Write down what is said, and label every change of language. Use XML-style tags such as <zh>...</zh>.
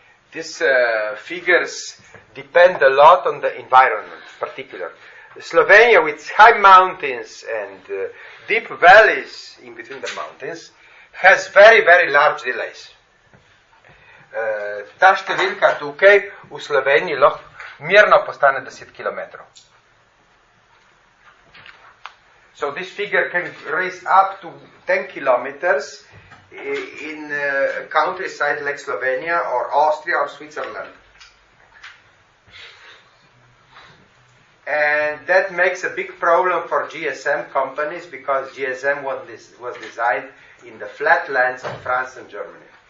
<en>These figures depend a lot on the environment in particular. Slovenia with high mountains and deep valleys in between the mountains has very, very large delays.</en> <sl>Ta številka tukaj v Sloveniji lahko mirno postane 10 kilometrov.</sl> <en>So this figure can raise up to 10 kilometers in countryside like Slovenia or Austria or Switzerland. And that makes a big problem for GSM companies, because GSM was designed in the flatlands of France and Germany.</en>